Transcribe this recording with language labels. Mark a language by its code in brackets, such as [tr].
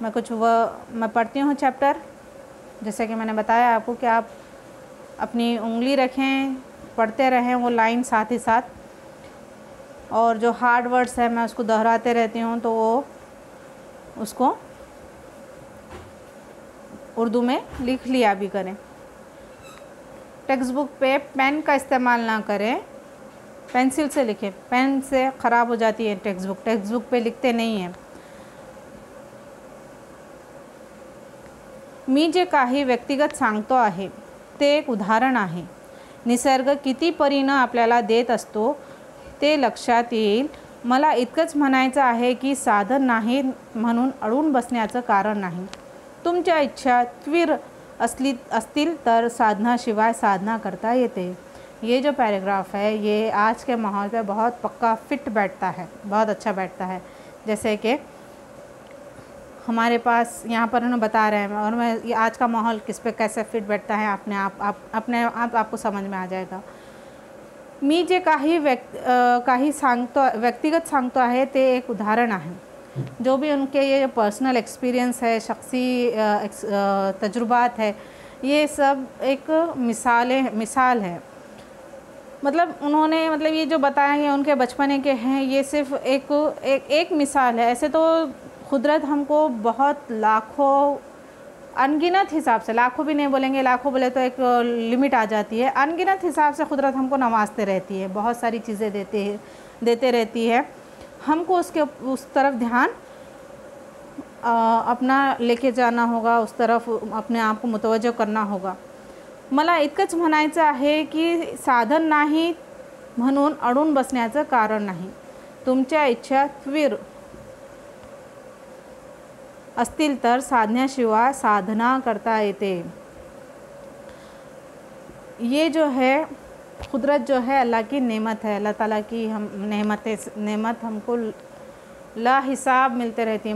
[hi] मैं पढ़ती हूँ चैप्टर। जैसे कि मैंने बताया आपको कि आप अपनी उंगली रखें, पढ़ते रहें वो लाइन साथ ही साथ, और जो हार्ड वर्ड्स है मैं उसको दोहराते रहती हूँ तो वो उसको उर्दू में लिख लिया भी करें। टेक्स्ट बुक पे पेन का इस्तेमाल ना करें, पेंसिल से लिखें, पेन से ख़राब हो जाती है टेक्स्ट बुक, टेक्स्ट बुक पे लिखते नहीं हैं। [mr] मी जे काही व्यक्तिगत सांगतो आहे ते एक उदाहरण आहे। निसर्ग किती परिणाम आपल्याला देत असतो ते लक्षात येईल। मला इतकंच म्हणायचं आहे की साधन नाही म्हणून अडून बसण्याचं कारण नाही। तुमच्या इच्छा तीव्र असतील तर साधनाशिवाय साधना करता येते। [hi] ये जो पैराग्राफ है ये आज के माहौल पे बहुत पक्का फिट बैठता है, बहुत अच्छा बैठता है। जैसे कि हमारे पास यहाँ पर उन्होंने बता रहे हैं, और मैं आज का माहौल किस पे कैसे फिट बैठता है अपने आप अपने आप आपको समझ में आ जाएगा। [mr] मी जे काही व्यक्तिगत सांगतो आहे ते एक उदाहरण आहे। [hi] जो भी उनके ये पर्सनल एक्सपीरियंस है, शख्सी तजुर्बात है, ये सब एक मिसाल है। मतलब ये जो बताया है उनके बचपने के हैं, ये सिर्फ एक मिसाल है। ऐसे तो कुदरत हमको बहुत लाखों अनगिनत हिसाब से, लाखों भी नहीं बोलेंगे, लाखों बोले तो एक लिमिट आ जाती है, अनगिनत हिसाब से कुदरत हमको नवाजते रहती है, बहुत सारी चीज़ें देते रहती है। हमको उस तरफ ध्यान अपना लेके जाना होगा, उस तरफ अपने आप को मुतवज्जो करना होगा। [mr] मला इतकंच म्हणायचं आहे की साधन नाही म्हणून अडून बसण्याचं कारण नाही। तुमच्या इच्छा तीव्र असतील तर साधण्याशिवाय साधना करता येते। [hi] ये जो है कुदरत जो है अल्लाह की नेमत है, अल्लाह ताला की हम नेमत हमको ला हिसाब मिलते रहती है।